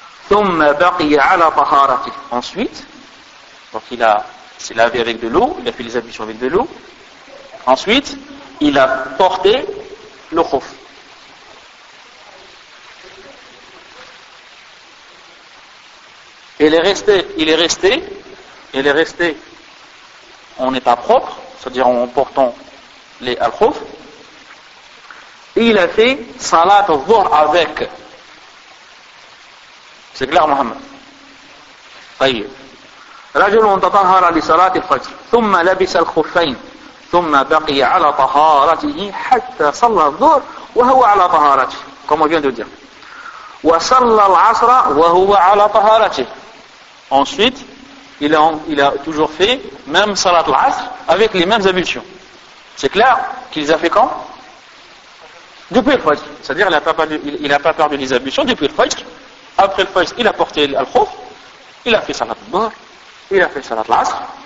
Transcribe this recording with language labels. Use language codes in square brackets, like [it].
[ar] ثم بقي على طهارته [fr] ensuite donc il s'est lavé avec de l'eau il a fait les ablutions avec de l'eau ensuite il a porté le خف Il est resté en état propre, c'est-à-dire en portant les al-khouf. Il a fait salat al-dhuhr avec. C'est clair, Mohamed. طيب. [ar] رجل تطهر لصلاة الفجر ثم لبس الخفين ثم بقي على طهارته حتى صلى الظهر وهو على طهارته. [fr] Comme on vient de dire. [ar] وصلى العصر وهو على طهارته. [fr] Ensuite, il a toujours fait même salat al-asr avec les mêmes ablutions. C'est clair qu'il les a fait quand ? Depuis le fajr. C'est-à-dire qu'il n'a pas perdu les ablutions depuis le fajr. Après le fajr, il a porté al-khouf, il a fait salat al-dhuhr, il a fait salat al-asr.